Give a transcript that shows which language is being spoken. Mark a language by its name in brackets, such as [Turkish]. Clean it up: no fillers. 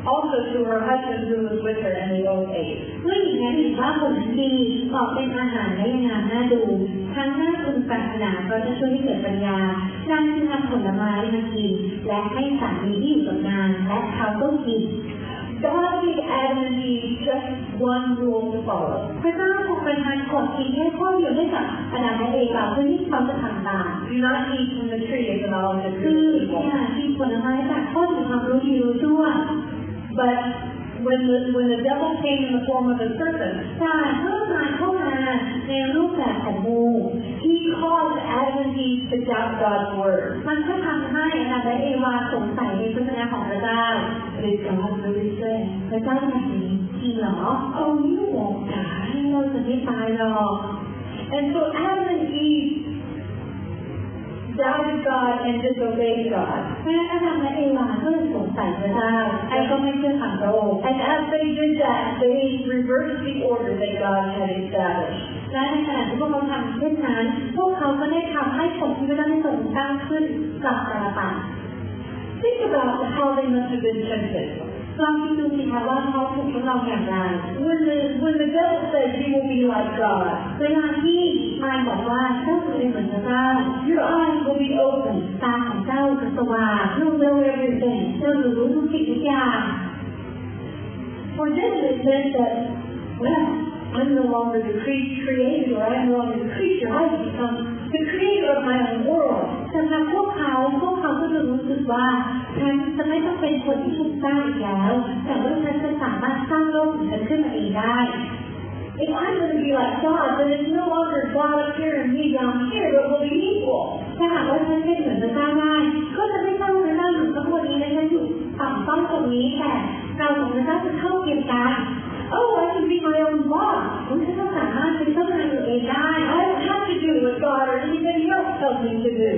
[English] Also to her husband who was with her and they both ate. [Thai] เมื่อหญิงนั้นเห็นว่าผลนั้นดีก็เป็นอาหารได้งามน่าดูทั้งน่าพึงปรารถนาก็จะช่วยให้เกิดปัญญานางจึงนำผลไม้มากินและให้สามีที่อยู่กับนางและเขาก็กิน [English] God gave Adam and Eve just one rule to follow. [Thai] พระเจ้าทรงประทานกฎเพียงแค่ข้อเดียวให้กับอดัมและเอวาเพื่อที่เขาจะทำตาม [English] Do not eat from the tree of the knowledge [Thai] คือการกินผลไม้จากข้อที่ความรู้ที่รู้ชั่ว [English] But when the devil came in the form of a serpent, he caused Adam and Eve to doubt God's word. [Thai] มันก็ทำให้อาดัมและเอวาสงสัยในพระสัญญาของพระเจ้า [English] Did God really say? [Thai] พระเจ้าแท้จริงเหรอ [English] Oh, you won't die. [Thai] เราจะไม่ตายหรอก [English] And so Adam and EveDoubted God and disobeyed God. And Adam and Eve were so stubborn. They didn't listen to God. And as they did that, they reversed the order that God had established. And when they did that, they made the order that God had established back reversed. Think about how they must have been tempted. [Thai] ลองคิดดูสิคะว่าเขาถูกทดลองอย่างไร [English] When the devil said he will be like God [Thai] เวลาที่มารบอกว่าเจ้าจะเป็นเหมือนพระเจ้า [English] Your eyes will be open [Thai] ตาของเจ้าจะสว่าง [English] You'll know everything [Thai] เจ้าจะรู้ทุกสิ่งทุกอย่าง [English] For Genesis meant that well I'm no longer the creator or I'm no longer the creature I've become the creator of my own world [Thai] สำหรับพวกเขาก็จะรู้สึกว่าฉันจะไม่ต้องเป็นคนที่ถูกสร้างอีกแล้วแต่ว่าฉันจะสามารถสร้างโลกของฉันขึ้นมาเองได้ [English] If I'm going to be like God, then it's no longer God up here and me down here, but we'll be equal. [Thai] ถ้าหากว่าฉันเป็นเหมือนพระเจ้าได้ก็จะไม่ต้องมานั่งอยู่ตรงนี้และฉันอยู่ฝั่งต้นตรงนี้แต่เราของพระเจ้าจะเท่าเทียมกัน [English] Oh, I can be my own boss. [Thai] ฉันจะสามารถเป็นเจ้านายของเองได้ [English] I don't have to do what God or anybody else tells me to do.